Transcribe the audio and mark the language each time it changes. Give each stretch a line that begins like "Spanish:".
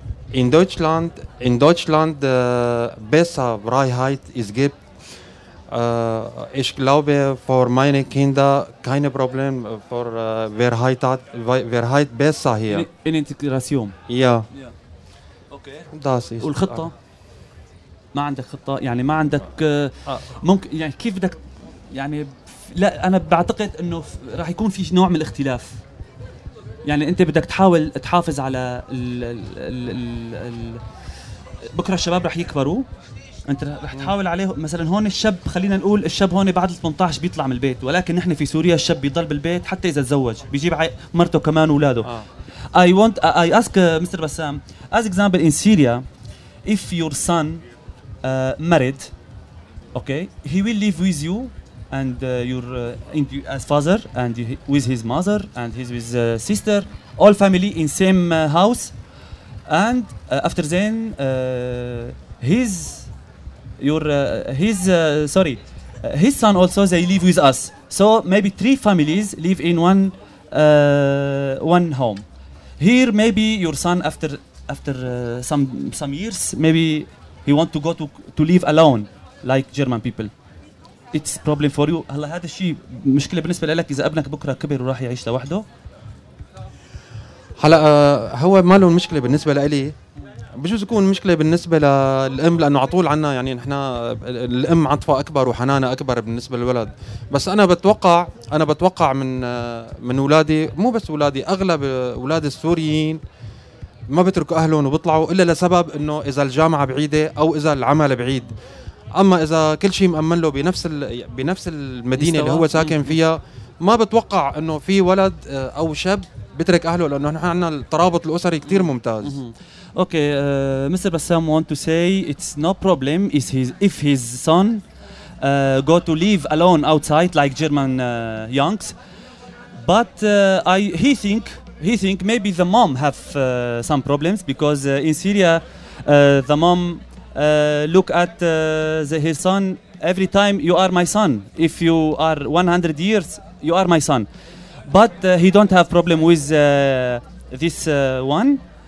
German: In Deutschland besser Freiheit es gibt. Ich glaube für meine Kinder keine Problem für Freiheit besser hier. In Integration. Ja.
English: Okay.
Arabic: والخطة ما عندك خطة, يعني ما عندك ممكن يعني كيف بدك يعني؟ لا أنا بعتقد إنه راح يكون في نوع من الاختلاف, يعني أنت بدك تحاول تحافظ على ال بكرة الشباب راح يكبروا, أنت راح تحاول عليه مثلا. هون الشاب خلينا نقول الشاب هون بعد 18 بيطلع من البيت, ولكن نحن في سوريا الشاب بيضل بالبيت حتى إذا تزوج بيجيب مرته كمان ولاده.
English: I ask Mr. Bassam, as example in Syria, if your son married, okay, he will live with you and as father and with his mother and his with sister, all family in same house, and after then his son also they live with us, so maybe three families live in one home. Here, maybe your son after some years, maybe he want to go to live alone. like German people. It's problem for you.
Arabic: هلا هذا الشيء مشكلة بالنسبة لك إذا ابنك بكرة كبر وراح يعيش لوحده. هلا هو ما له مشكلة بالنسبة لي. بجوز يكون مشكلة بالنسبة للأم لأنه عطول عنا يعني نحنا الأم عطفة أكبر وحنانة أكبر بالنسبة للولد. بس أنا بتوقع من أولادي، مو بس أولادي، أغلب أولاد السوريين ما بتركوا أهلهم وبيطلعوا إلا لسبب إنه إذا الجامعة بعيدة أو إذا العمل بعيد. أما إذا كل شيء مأمن له بنفس المدينة اللي هو ساكن فيها، ما بتوقع إنه في ولد أو شاب بترك أهله، لأنه نحن عنا الترابط الأسري كتير ممتاز.
English: Okay, Mr. Bassam want to say it's no problem if his son go to live alone outside like German youngs, but he think maybe the mom have some problems because in Syria the mom look at his son every time, you are my son, if you are 100 years you are my son, but he don't have problem with this one.